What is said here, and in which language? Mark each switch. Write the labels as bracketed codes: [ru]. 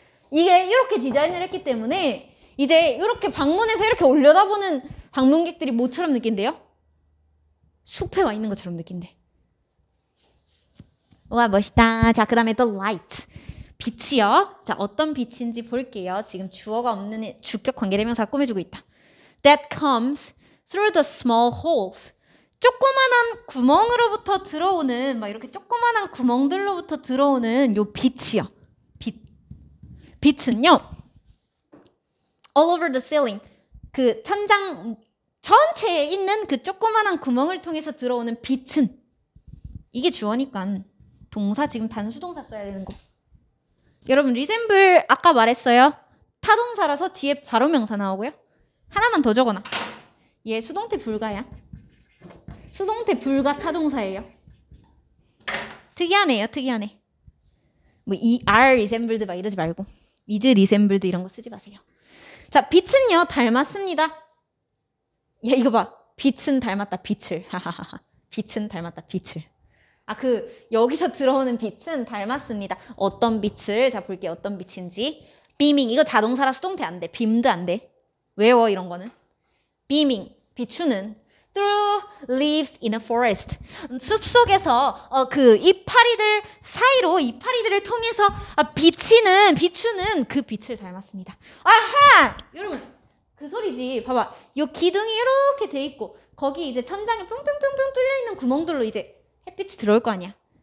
[ko] 이게 이렇게 디자인을 했기 때문에 이제 이렇게 방문해서 이렇게 올려다보는 방문객들이 뭐처럼 느낀대요? 숲에 와 있는 것처럼 느낀대. 와, 멋있다. 자, 그 다음에 the light. 빛이요. 자, 어떤 빛인지 볼게요. 지금 주어가 없는 주격 관계대명사 꾸며주고 있다. [en] That comes through the small holes. [ko] 조그만한 구멍으로부터 들어오는, 막 이렇게 조그만한 구멍들로부터 들어오는 요 빛이요. 빛. 빛은요. [en] All over the ceiling. [ko] 그 천장 전체에 있는 그 조그만한 구멍을 통해서 들어오는 빛은. 이게 주어니까 동사, 지금 단수동사 써야 되는 거. 여러분, 리젬블 아까 말했어요. 타동사라서 뒤에 바로 명사 나오고요. 하나만 더 적어놔. 얘 수동태 불가야. 수동태 불가 타동사예요. 특이하네요, 특이하네. 뭐 이 [en] are resembled [ko] 막 이러지 말고 [en] is resembled [ko] 이런 거 쓰지 마세요. 자, 빛은요 닮았습니다. 야, 이거 봐. 빛은 닮았다, 빛을. 빛은 닮았다, 빛을. 아, 그 여기서 들어오는 빛은 닮았습니다. 어떤 빛을? 자, 볼게요. 어떤 빛인지. beaming. 이거 자동사라 수동태 안 돼. beamed 안 돼. 외워, 이런 거는. beaming. 비추는. [en] through leaves in a forest. [ko] 숲 속에서 그 이파리들 사이로, 이파리들을 통해서 비치는, 비추는 그 빛을 닮았습니다. 아하! 여러분, 그 소리지. 봐봐. 요 기둥이 이렇게 돼 있고 거기 이제 천장에 뿅뿅뿅뿅 뚫려 있는 구멍들로 이제 햇빛이 들어올 거 아니야.